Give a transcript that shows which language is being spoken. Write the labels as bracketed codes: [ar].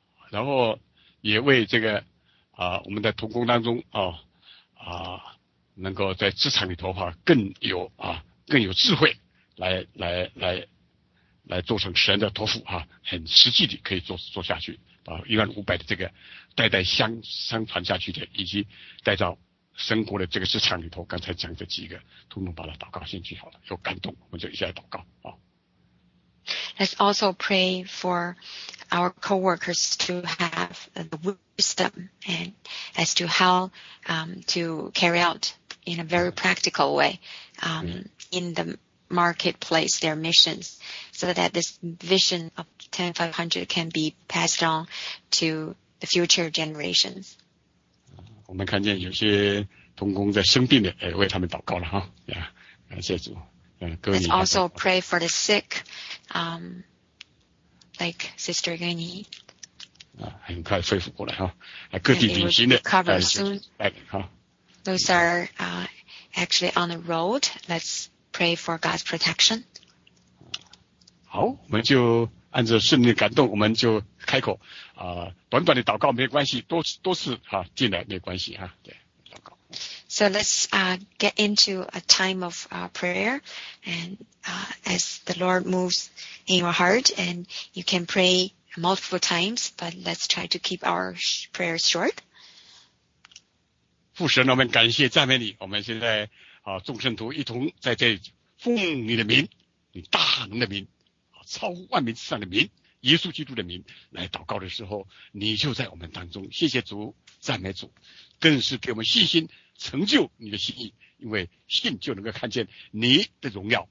[zh] 然后也为这个我们的同工当中能够在职场里头哈更有更有智慧来做成神的托付哈，很实际的可以做下去，把1500的这个代代相传下去的，以及带到生活的这个职场里头，刚才讲的几个，通通把它祷告先去好了，有感动我们就一下祷告啊。 [en] Let's also pray for our co-workers to have the wisdom and as to how to carry out in a very practical way in the marketplace their missions, so that this vision of 10500 can be passed on to the future generations. [zh] 我们看见有些同工在生病的，哎，为他们祷告了哈，呀，感谢主。 [en] Let's also pray for the sick, like Sister Gany. [zh] 很快恢复过来哈，各地旅行的， [en] recover soon. Those are actually on the road. Let's pray for God's protection. [zh] 好，我们就按照圣灵的感动，我们就开口短短的祷告没关系，多次哈进来没关系哈，对。 [en] So let's get into a time of prayer, and as the Lord moves in your heart, and you can pray multiple times, but let's try to keep our prayers short. [zh] 父神，我们感谢赞美你，我们现在众圣徒一同在这里奉你的名，你大能的名，超万民之上的名，耶稣基督的名来祷告的时候，你就在我们当中。谢谢主，赞美主，更是给我们信心。成就你的心意，因为信就能够看见你的荣耀。